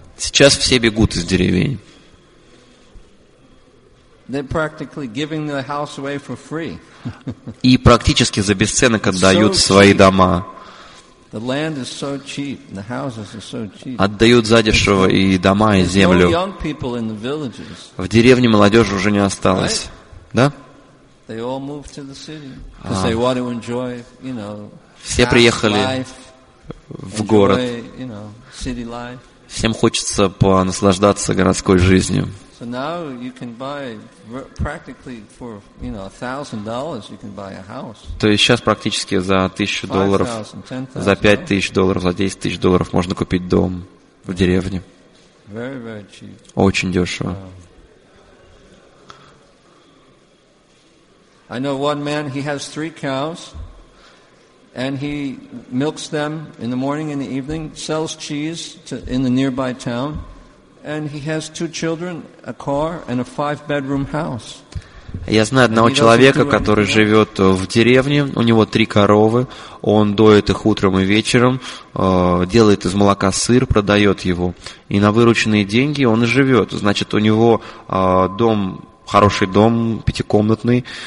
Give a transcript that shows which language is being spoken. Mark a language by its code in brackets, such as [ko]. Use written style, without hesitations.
[ru] Сейчас все бегут из деревень. [en] They're practically giving the house away for free. [ru] И практически за бесценок отдают свои дома. [en] The land is so cheap, the houses are so cheap. [ru] Отдают задешево и дома, и землю. [en] There's no young people in the villages. [ru] В деревне молодежи уже не осталось. Да? [en] They all moved to the city because they want to enjoy, you know, [ru] все приехали в город. [en] You know, city life. [ru] Всем хочется понаслаждаться городской жизнью. [en] So now you can buy practically for, you know, $1,000 you can buy a house. [ru] То есть сейчас практически за $1,000, за $5,000, за $10,000 можно купить дом в деревне. [en] Very, very cheap. [ru] Очень дешево. [en] I know one man, he has 3 cows, and he milks them in the morning and the evening, sells cheese in the nearby town. And he has 2 children, a car, and a 5-bedroom house. [ru] Я знаю одного человека, который живет в деревне. У него 3 коровы. Он доит их утром и вечером, делает из молока сыр, продает его. И на вырученные деньги он и живет. Значит, у него дом, хороший дом, 5-комнатный.